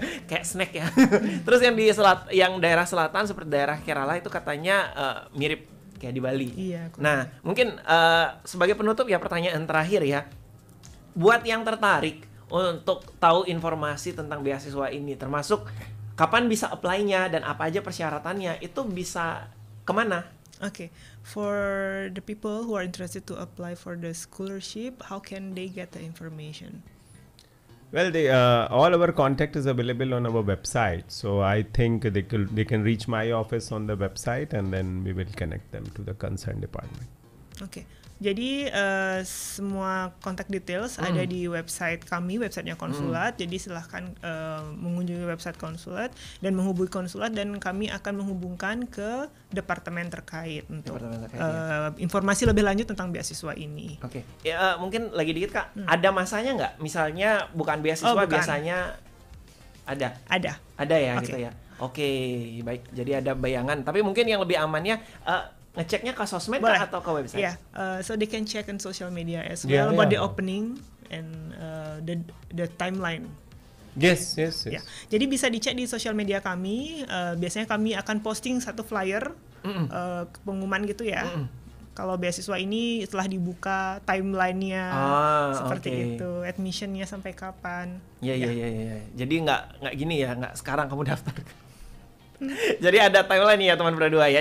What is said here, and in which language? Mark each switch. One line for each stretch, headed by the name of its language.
Indonesian: Kayak snack ya. Terus yang di yang daerah selatan seperti daerah Kerala itu katanya mirip kayak di Bali. Iya. Nah, mungkin sebagai penutup ya, pertanyaan terakhir ya, buat yang tertarik untuk tahu informasi tentang beasiswa ini, termasuk kapan bisa apply-nya dan apa aja persyaratannya, itu bisa kemana?
English: Okay, for the people who are interested to apply for the scholarship, how can they get the information? Well, all our contact is available on our website. So I think they can reach my office on the website, and then we will connect them to the concerned department.
Indonesian: Okay. Jadi semua contact details ada di website kami, websitenya konsulat. Jadi silahkan mengunjungi website konsulat dan menghubungi konsulat, dan kami akan menghubungkan ke departemen terkait untuk informasi lebih lanjut tentang beasiswa ini. Oke, okay. Ya, mungkin lagi dikit kak, ada masanya nggak? Misalnya bukan beasiswa, biasanya ada? Ada. Ada ya, okay. Gitu ya. Oke, okay, baik. Jadi ada bayangan. Tapi mungkin yang lebih amannya ngeceknya ke sosmed kah, atau ke website?
English: Yeah, so they can check on social media as well about the opening and the timeline. Yes. Yeah.
Indonesian: Jadi bisa dicek di social media kami. Biasanya kami akan posting satu flyer pengumuman gitu ya. Kalau beasiswa ini telah dibuka, timeline-nya seperti itu, admission-nya sampai kapan. Iya. Jadi nggak gini ya, nggak sekarang kamu daftar. Jadi ada timeline ya teman berdua ya.